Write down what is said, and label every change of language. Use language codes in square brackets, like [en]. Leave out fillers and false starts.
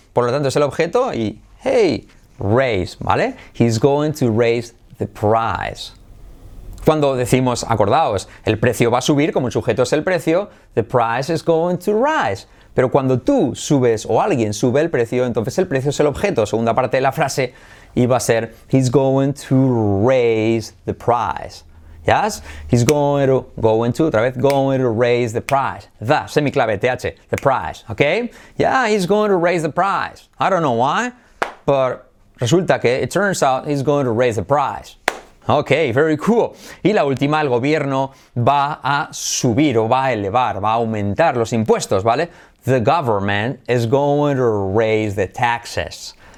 [es] Por lo tanto, es el objeto y... Hey, raise, ¿vale? [en] He's going to raise the price. [es] Cuando decimos, acordaos, el precio va a subir, como el sujeto es el precio, [en] the price is going to rise. [es] Pero cuando tú subes o alguien sube el precio, entonces el precio es el objeto. Segunda parte de la frase... Y va a ser, [en] he's going to raise the price. ¿Yes? He's going to raise the price. The, semiclave, TH, the price, ¿ok? Yeah, he's going to raise the price. I don't know why, but [es] resulta que [en] it turns out he's going to raise the price. Ok, very cool. [es] Y la última, el gobierno va a subir o va a elevar, va a aumentar los impuestos, ¿vale? [en] The government is going to raise the taxes.